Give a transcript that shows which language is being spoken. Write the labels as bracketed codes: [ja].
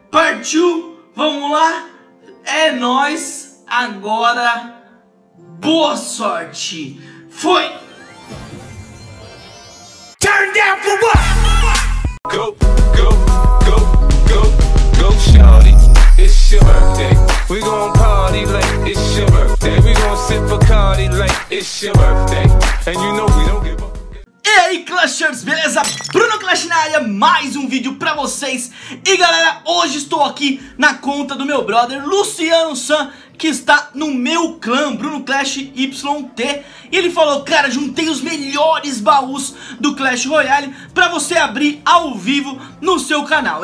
[pt] partiu, vamos lá, é nós agora, boa sorte, foi! [en] Turn down for what? Go, go, go, go, go, shawty, it's your birthday, we gon' party like it's your birthday, we gon' sip a Cardi like it's your birthday, and you know we don't give up. [pt] E aí, Clashers, beleza? Bruno Clash na área, mais um vídeo pra vocês. E galera, hoje estou aqui na conta do meu brother Luciano San, que está no meu clã, Bruno Clash YT. E ele falou, cara, juntei os melhores baús do Clash Royale pra você abrir ao vivo no seu canal.